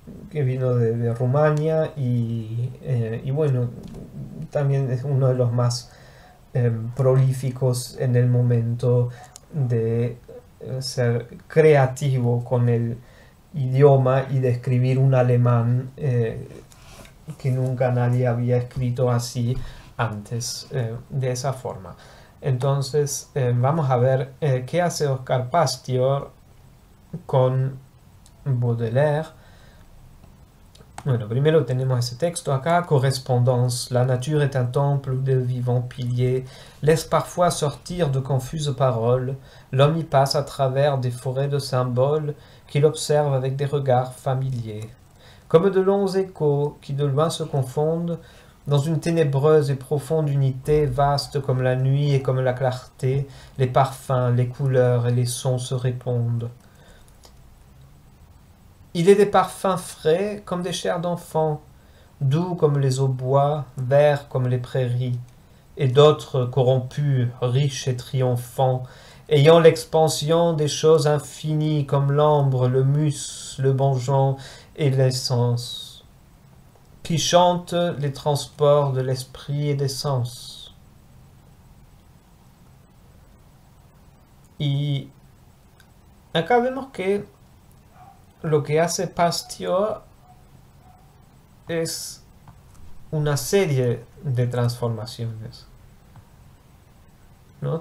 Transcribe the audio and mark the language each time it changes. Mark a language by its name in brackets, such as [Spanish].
[Spanish] Que vino de Rumania y bueno, también es uno de los más prolíficos en el momento de ser creativo con el idioma y de escribir un alemán que nunca nadie había escrito así antes, de esa forma. Entonces, vamos a ver qué hace Oscar Pasteur con Baudelaire. Bueno, primero tenemos ese texto acá: Correspondance. [French] La nature est un temple où des vivants piliers laissent parfois sortir de confuses paroles. L'homme y passe à travers des forêts de symboles qu'il observe avec des regards familiers. Comme de longs échos qui de loin se confondent. Dans une ténébreuse et profonde unité, vaste comme la nuit et comme la clarté, les parfums, les couleurs et les sons se répondent. Il est des parfums frais comme des chairs d'enfants, doux comme les hautbois, verts comme les prairies, et d'autres corrompus, riches et triomphants, ayant l'expansion des choses infinies comme l'ambre, le mus, le bonjon et l'essence. Qui chante les transports de l'esprit et des sens. [Spanish] Y acá vemos que lo que hace Pasteur es una serie de transformaciones, ¿no?